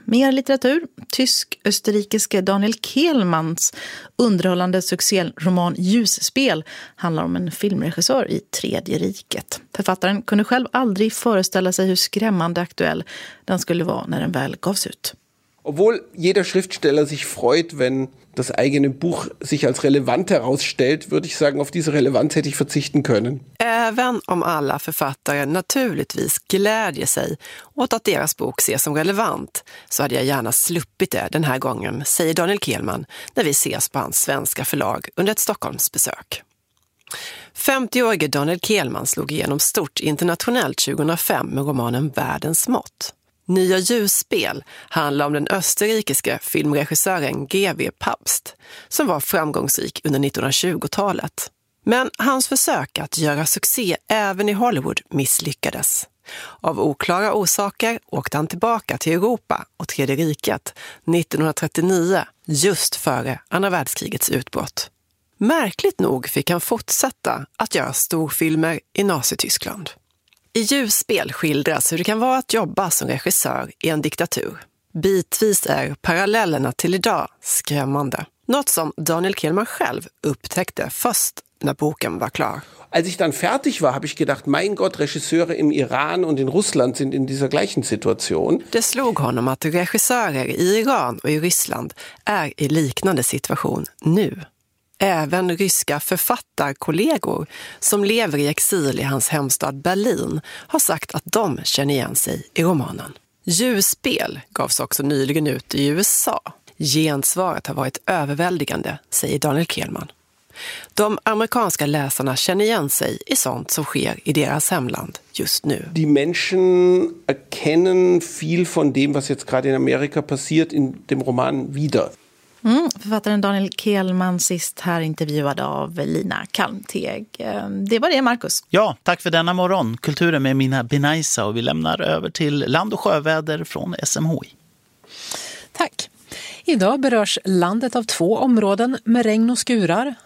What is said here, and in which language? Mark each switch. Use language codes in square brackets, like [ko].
[sv] Mer litteratur, tysk-österrikiske Daniel Kehlmanns underhållande succéroman Ljusspel handlar om en filmregissör i Tredje riket. Författaren kunde själv aldrig föreställa sig hur skrämmande aktuell den skulle vara när den väl gavs ut. [de] Obwohl jeder Schriftsteller sich freut, wenn das eigene Buch sich als relevant herausstellt, würde ich sagen, auf diese Relevanz hätte ich verzichten können. [sv] Även om alla författare naturligtvis glädjer sig åt att deras bok ses som relevant, så hade jag gärna sluppit det den här gången, säger Daniel Kehlman, när vi ses på hans svenska förlag under ett Stockholmsbesök. 50-årige Daniel Kehlman slog igenom stort internationellt 2005 med romanen Världens mått. Nya Ljusspel handlar om den österrikiska filmregissören G.W. Pabst, som var framgångsrik under 1920-talet. Men hans försök att göra succé även i Hollywood misslyckades. Av oklara orsaker åkte han tillbaka till Europa och Tredje riket 1939, just före andra världskrigets utbrott. Märkligt nog fick han fortsätta att göra storfilmer i Nazityskland. I Ljusspel skildras hur det kan vara att jobba som regissör i en diktatur. Bitvis är parallellerna till idag skrämmande. Något som Daniel Kehlman själv upptäckte först när boken var klar. [de] Als ich dann fertig war, habe ich gedacht, mein Gott, Regisseure im Iran und in Russland sind in dieser gleichen Situation. [sv] Det slog honom att regissörer i Iran och i Ryssland är i liknande situation nu. Även ryska författarkollegor som lever i exil i hans hemstad Berlin har sagt att de känner igen sig i romanen. Ljusspel gavs också nyligen ut i USA. Gensvaret har varit överväldigande, säger Daniel Kehlman. De amerikanska läsarna känner igen sig i sånt som sker i deras hemland just nu. [de] Die Menschen erkennen viel von dem, was jetzt gerade in Amerika passiert, in dem Roman wieder. [sv] Författaren Daniel Kehlman, sist här intervjuad av Lina Kalmteg. Det var det, Markus. Ja, tack för denna morgon. Kulturen med Mina Benajsa, och vi lämnar över till Land och sjöväder från SMHI. Tack. Idag berörs landet av två områden med regn och skurar.